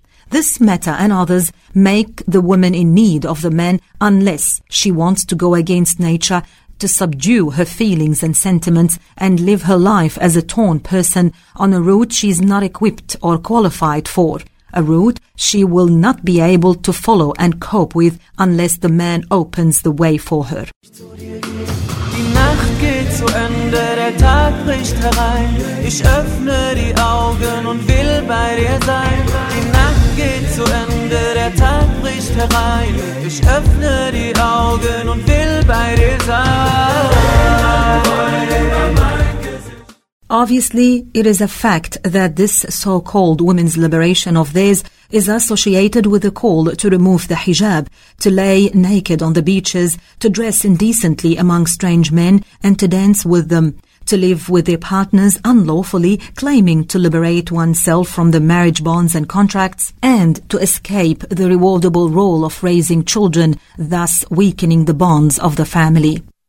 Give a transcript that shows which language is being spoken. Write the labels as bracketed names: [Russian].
[English] This matter and others make the woman in need of the man, unless she wants to go against nature, to subdue her feelings and sentiments and live her life as a torn person on a route she is not equipped or qualified for. A route she will not be able to follow and cope with unless the man opens the way for her. [German] Die Nacht geht zu Ende, der Tag bricht herein. Ich öffne die Augen und will bei dir sein. Die Nacht geht zu Ende, der Tag bricht herein. Ich öffne die Augen und will bei dir sein. [English] Obviously, it is a fact that this so-called women's liberation of theirs is associated with a call to remove the hijab, to lay naked on the beaches, to dress indecently among strange men, and to dance with them, to live with their partners unlawfully, claiming to liberate oneself from the marriage bonds and contracts, and to escape the rewardable role of raising children, thus weakening the bonds of the family.